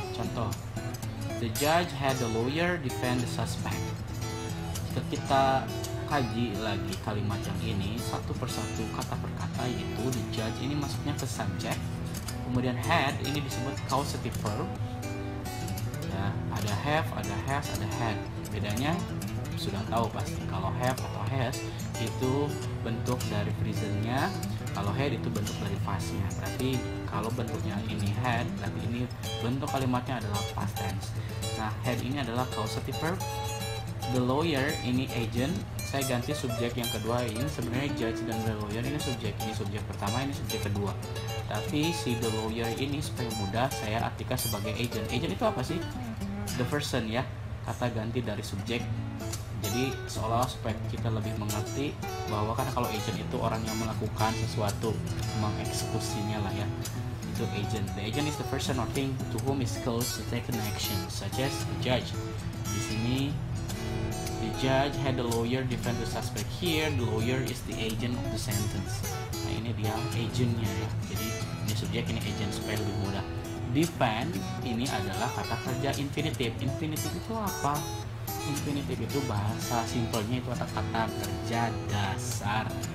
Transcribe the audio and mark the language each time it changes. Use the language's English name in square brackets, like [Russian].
[English] Contoh, the judge had the lawyer defend the suspect. [Indonesian] Jika kita kaji lagi kalimat yang ini satu persatu, kata per kata, yaitu the judge ini masuknya ke subject, kemudian had ini disebut causative verb ya, ada have, ada has, ada had. Bedanya sudah tahu pasti kalau have atau has itu bentuk dari present-nya, kalau had itu bentuk dari past-nya. Berarti kalau bentuknya ini had, berarti ini bentuk kalimatnya adalah past tense. Nah, had ini adalah causative verb. The lawyer ini agent. Saya ganti subjek yang kedua ini, sebenarnya judge dan the lawyer ini subjek. Ini subjek pertama, ini subjek kedua. Tapi si the lawyer ini supaya mudah saya artikan sebagai agent. Agent itu apa sih? [English] The person [Indonesian] ya, kata ganti dari subjek. Jadi seolah-olah supaya kita lebih mengerti bahwa kan kalau agent itu orang yang melakukan sesuatu, mengeksekusinya lah ya. Itu agent. [English] The agent is the person or thing to whom is caused to take an action, such as the judge. [Indonesian] Di sini [English] the judge had the lawyer defend the suspect. Here the lawyer is the agent of the sentence. [Indonesian] Nah ini dia agentnya ya. Jadi ini subjek, ini agent, supaya lebih mudah. Defend ini adalah kata kerja infinitive. Infinitive itu apa? Infinitive itu bahasa simpelnya itu adalah kata kerja dasar.